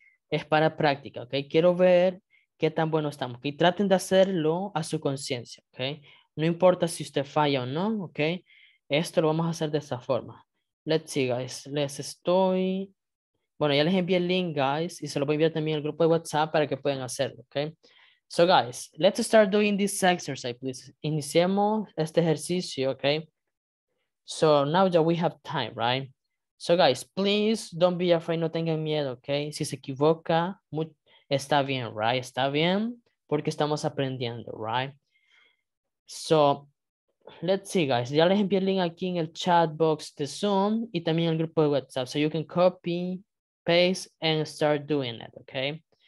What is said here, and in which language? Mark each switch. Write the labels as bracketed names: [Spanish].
[Spanish] Es para práctica, ¿ok? Quiero ver qué tan bueno estamos. Y traten de hacerlo a su conciencia, ¿ok? No importa si usted falla o no, ¿ok? Esto lo vamos a hacer de esta forma. [English] Let's see, guys. [Spanish] Les estoy... Bueno, ya les envié el link, guys, y se lo voy a enviar también al grupo de WhatsApp para que puedan hacerlo, ¿ok? [English] So, guys, let's start doing this exercise, please. [Spanish] Iniciemos este ejercicio, [English] ¿ok? So, now that we have time, right? So guys, please don't be afraid, [Spanish] no tengan miedo, [English] okay? [Spanish] Si se equivoca, está bien, right? Está bien, porque estamos aprendiendo, right? [English] So, let's see, guys. [Spanish] Ya les envié el link aquí en el chat box de Zoom y también en el grupo de WhatsApp. [English] So you can copy, paste, and start doing it, okay?